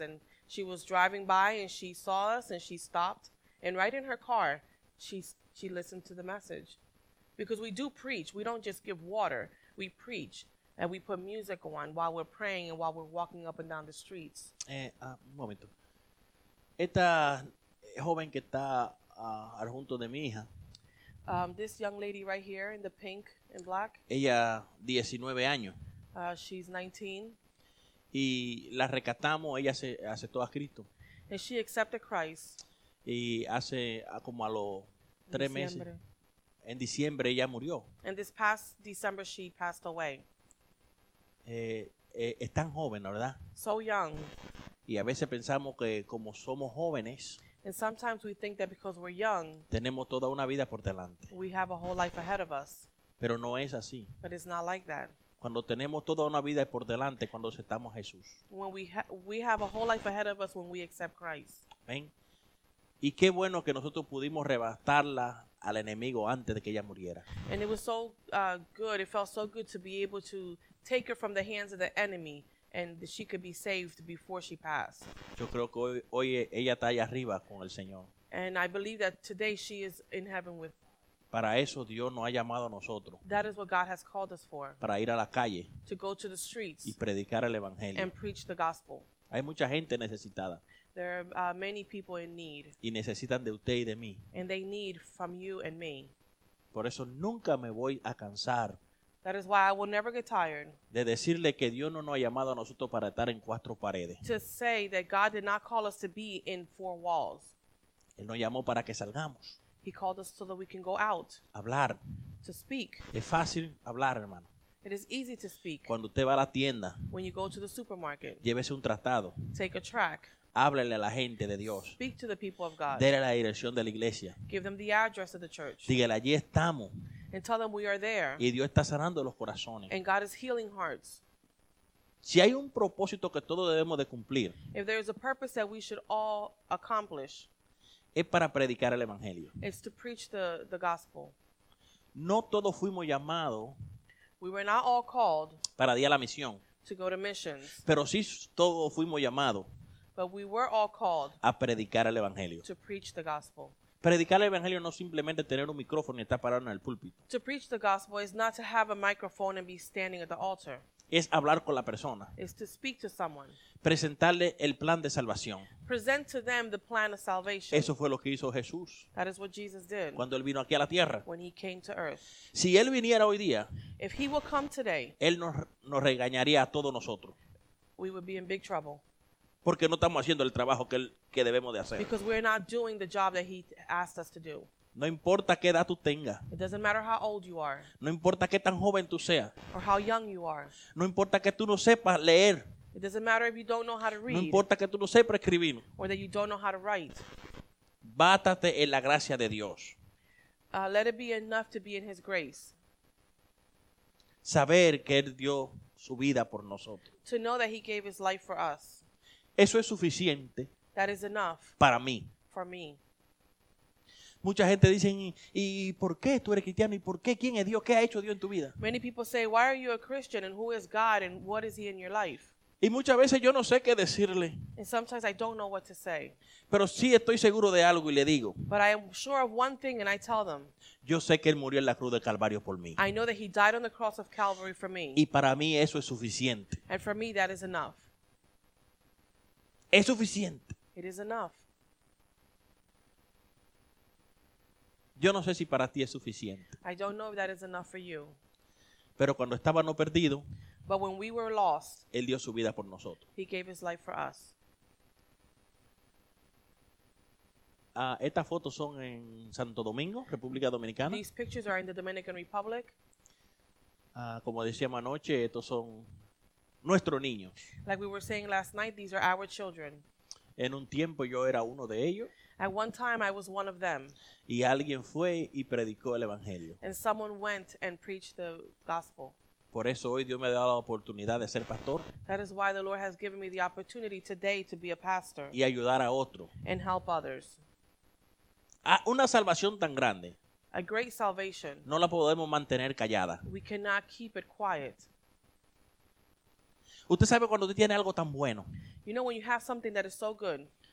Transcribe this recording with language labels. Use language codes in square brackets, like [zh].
[en] And she was driving by and she saw us and she stopped. And right in her car, she listened to the message. Because we do preach. We don't just give water. We preach. And we put music on while we're praying and while we're walking up and down the streets. [es] Un momento. Esta joven que está al junto de mi hija. [en] This young lady right here in the pink and black. [es] Ella, 19 años. [en] She's 19. [es] Y la rescatamos. Ella se aceptó a Cristo. [en] And she accepted Christ. [es] Y hace como a los 3 meses. En diciembre ella murió. [en] And this past December she passed away. [es] Es tan joven, ¿verdad? [en] So young. [es] Y a veces pensamos que como somos jóvenes, [en] and sometimes we think that because we're young, [es] tenemos toda una vida por delante. [en] We have a whole life ahead of us. [es] Pero no es así. [en] But it's not like that. [es] Cuando tenemos toda una vida por delante cuando aceptamos a Jesús. [en] When we have a whole life ahead of us when we accept Christ. [es] ¿Ven? Y qué bueno que nosotros pudimos arrebatarla al enemigo antes de que ella muriera. [en] And it was so good. It felt so good to be able to take her from the hands of the enemy and that she could be saved before she passed. [es] Yo creo que hoy ella está allá arriba con el Señor. [en] And I believe that today she is in heaven with. [es] Para eso Dios nos ha llamado a nosotros. [en] That is what God has called us for. [es] Para ir a la calle. [en] To go to the streets. [es] Y predicar el evangelio. [en] And preach the gospel. [es] Hay mucha gente necesitada. [en] There are many people in need. [es] Y necesitan de usted y de mí. [en] And they need from you and me. [es] Por eso nunca me voy a cansar. [en] That is why I will never get tired. [es] De decirle que Dios no nos ha llamado a nosotros para estar en cuatro paredes. [en] To say that God did not call us to be in four walls. [es] Él nos llamó para que salgamos. [en] He called us so that we can go out. [es] Hablar. [en] To speak. [es] Es fácil hablar, hermano. [en] It is easy to speak. [es] Cuando usted va a la tienda. [en] When you go to the supermarket. [es] Llévese un tratado. [en] Take a track. [es] Háblele a la gente de Dios. [en] Speak to the people of God. [es] Dele la dirección de la iglesia. [en] Give them the address of the church. [es] Dígale, allí estamos. [en] And tell them we are there. [es] Y Dios está sanando los corazones. [en] And God is healing hearts. [es] Si hay un propósito que todos debemos de cumplir. [en] If there is a purpose that we should all accomplish. [es] Es para predicar el evangelio. [en] It's to preach the gospel. [es] No todos fuimos llamados. [en] We were not all called. [es] Para ir a la misión. [en] To go to missions. [es] Pero sí todos fuimos llamados. [en] But we were all called [es] a predicar el evangelio. [en] To preach the gospel. [es] Predicar el evangelio no simplemente tener un micrófono y estar parado en el púlpito. [en] To preach the gospel is not to have a microphone and be standing at the altar. [es] es hablar con la persona. [en] Is to speak to someone. [es] Presentarle el plan de salvación. [en] Present to them the plan of salvation. [es] Eso fue lo que hizo Jesús. [en] That is what Jesus did. [es] Cuando él vino aquí a la tierra. [en] When he came to earth. [es] Si él viniera hoy día. [en] If he will come today. [es] Él nos regañaría a todos nosotros. [en] We would be in big trouble. [es] Porque no estamos haciendo el trabajo que debemos de hacer. [en] Because we're not doing the job that he asked us to do. [es] No importa qué edad tú tengas. [en] It doesn't matter how old you are. [es] No importa qué tan joven tú seas. [en] Or how young you are. [es] No importa que tú no sepas leer. [en] It doesn't matter if you don't know how to read. [es] No importa que tú no sepas escribir. [en] Or that you don't know how to write. [es] Bátate en la gracia de Dios. [en] Let it be enough to be in his grace. [es] Saber que él dio su vida por nosotros. [en] To know that he gave his life for us. [es] Eso es suficiente. [en] That is enough. [es] Para mí. [en] For me. [es] Mucha gente dice, ¿y por qué tú eres cristiano? ¿Y por qué? ¿Quién es Dios? ¿Qué ha hecho Dios en tu vida? [en] Many people say, why are you a Christian? And who is God? And what is he in your life? [es] Y muchas veces yo no sé qué decirle. [en] And sometimes I don't know what to say. [es] Pero sí estoy seguro de algo y le digo. [en] But I am sure of one thing and I tell them. [es] Yo sé que él murió en la cruz del Calvario por mí. [en] I know that he died on the cross of Calvary for me. [es] Y para mí eso es suficiente. [en] And for me that is enough. [es] Es suficiente. [en] It is enough. [es] Yo no sé si para ti es suficiente. [en] I don't know if that is enough for you. [es] Pero cuando estaba no perdido. [en] But when we were lost. [es] Él dio su vida por nosotros. [en] He gave his life for us. [es] Estas fotos son en Santo Domingo, República Dominicana. [en] These pictures are in the Dominican Republic. [es] Como decíamos anoche, estos son nuestro niño. [en] Like we were saying last night, these are our children. [es] En un tiempo yo era uno de ellos. [en] At one time I was one of them. [es] Y alguien fue y predicó el evangelio. [en] And someone went and preached the gospel. [es] Por eso hoy Dios me ha dado la oportunidad de ser pastor. [en] That is why the Lord has given me the opportunity today to be a pastor. [es] Y ayudar a otro. [en] And help others. [es] Una salvación tan grande. [en] A great salvation. [es] No la podemos mantener callada. [en] We cannot keep it quiet. [es] Usted sabe cuando usted tiene algo tan bueno. [en] You know when you have something that is so good.